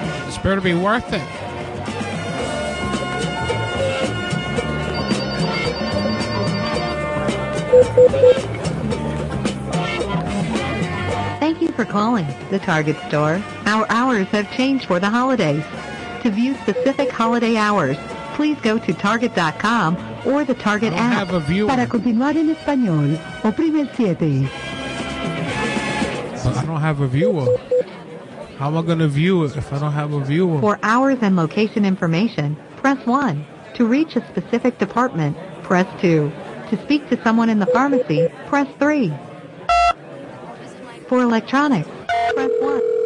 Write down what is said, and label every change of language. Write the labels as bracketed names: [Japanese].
[English] It's better to be worth it. Thank you for calling the Target store. Our hours have changed for the holidays. To view specific holiday hours, please go to Target.com or the Target app. Have a viewer. [Spanish] Para continuar en español, oprime el 7. [English] I don't have a viewer. How am I going to view it if I don't have a viewer? For hours and location information, press 1. To reach a specific department, press 2. To speak to someone in the pharmacy, press 3. For electronics, press 1.